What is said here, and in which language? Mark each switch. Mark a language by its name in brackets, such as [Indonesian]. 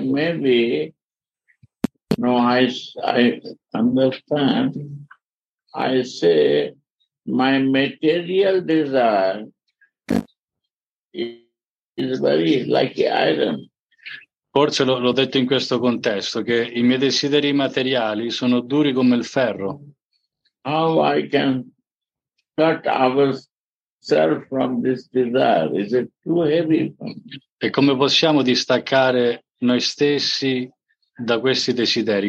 [English] Maybe no, I understand. I say my material desire is very like iron. [Italian] Forse l'ho detto in questo contesto, che i miei desideri materiali sono duri come il ferro. [English] How I can cut ourselves from this desire? Is it too heavy for me? [Italian] E come possiamo distaccare noi stessi da questi desideri?